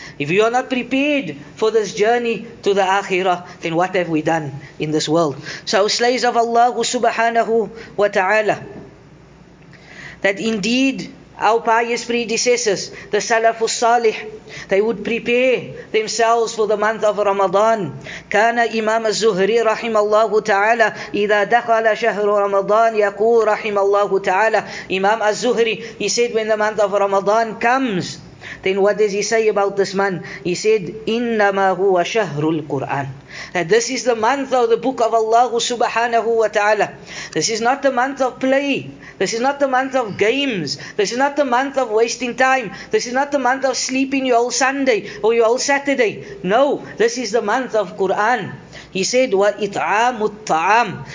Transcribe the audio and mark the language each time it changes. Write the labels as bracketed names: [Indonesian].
[English] If you are not prepared for this journey to the akhirah, then what have we done in this world? So, slaves of Allah subhanahu wa ta'ala, that indeed our pious predecessors, the Salafus Salih, they would prepare themselves for the month of Ramadan. [Arabic] كان إمام الزهري رحمه الله تعالى إذا دخل شهر رمضان يقول رحمه الله تعالى. [English] Imam al-Zuhri, he said when the month of Ramadan comes, then what does he say about this month? He said, [Arabic] إنما هو شهر القرآن. [English] That this is the month of the book of Allah subhanahu wa ta'ala. This is not the month of play. This is not the month of games. This is not the month of wasting time. This is not the month of sleeping your whole Sunday or your whole Saturday. No, this is the month of Quran. He said, [Arabic] wa it'amu ta'am.